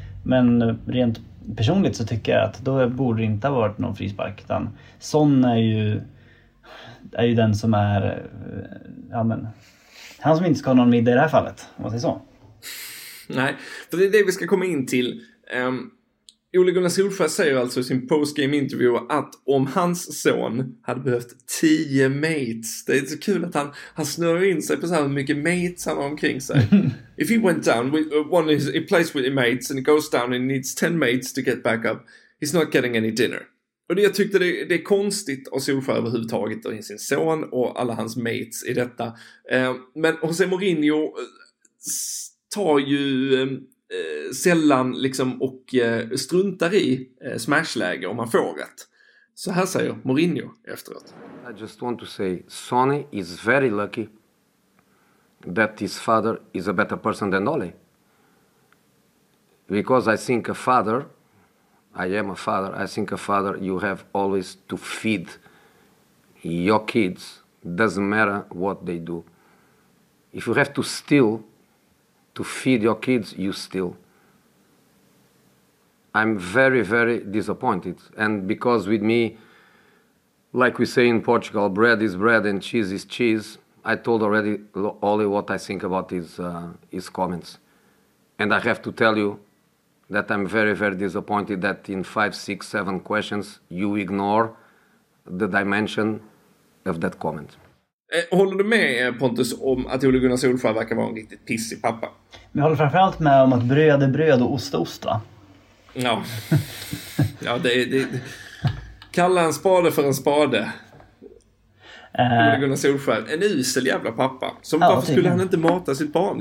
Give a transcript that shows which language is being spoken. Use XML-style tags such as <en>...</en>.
<sv>Men rent personligt så tycker jag att då borde det inte ha varit någon frispark, utan Son är ju den som är, ja men, han som inte ska ha någon middag i det här fallet, om man säger så. Nej, för det är det vi ska komma in till. Ole Gunnar Solskjaer säger alltså i sin postgame-intervju att om hans son hade behövt 10 mates, det är så kul att han snurrar in sig på så här mycket mates han har omkring sig.</sv> <en>If he went down, he plays with his mates and he goes down and needs 10 mates to get back up, he's not getting any dinner.</en> <sv>Och det, jag tyckte det är konstigt av Solskjaer överhuvudtaget och sin son och alla hans mates i detta. Men Jose Mourinho tar ju sällan liksom och struntar i smashläge om man får rätt. Så här säger Mourinho efteråt.</sv> <en>I just want to say Sonny is very lucky that his father is a better person than Ole. Because I think a father, I am a father, I think a father you have always to feed your kids, doesn't matter what they do. If you have to steal to feed your kids, you steal. I'm very, very disappointed. And because with me, like we say in Portugal, bread is bread and cheese is cheese, I told already Ole what I think about his comments. And I have to tell you, that I'm very, very disappointed that in 5, 6, 7 questions you ignore the dimension of that comment.</en> <sv>Håller du med Pontus om att Ole Gunnar Solskjær verkar vara en riktigt pissig pappa? Men håller framförallt med om att bröd är bröd och ost är ost, va? Ja. Ja, det kalla en spade för en spade. Ole Gunnar Solskjær, en usel jävla pappa. Som, ja, varför skulle han inte mata sitt barn?</sv>